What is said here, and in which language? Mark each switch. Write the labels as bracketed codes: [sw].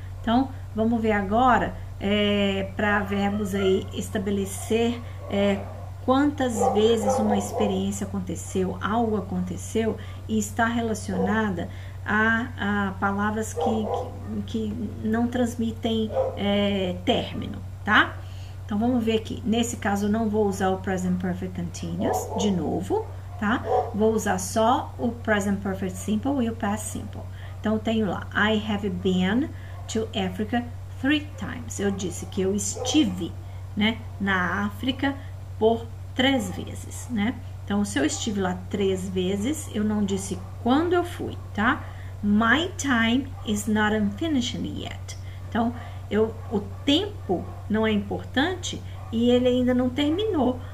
[pt] Então, vamos ver agora para verbos aí estabelecer quantas vezes uma experiência aconteceu, algo aconteceu e está relacionada a palavras que não transmitem término, tá? Então vamos ver aqui. Nesse caso, eu não vou usar o Present Perfect Continuous de novo, tá? Vou usar só o Present Perfect Simple e o Past Simple. Então eu tenho lá: [en] I have been to Africa 3 times. [pt] Eu disse que eu estive, né, na África por 3 vezes, né? Então, se eu estive lá 3 vezes, eu não disse quando eu fui, tá? [en] My time is not unfinished yet. [pt] Então, o tempo não é importante e ele ainda não terminou.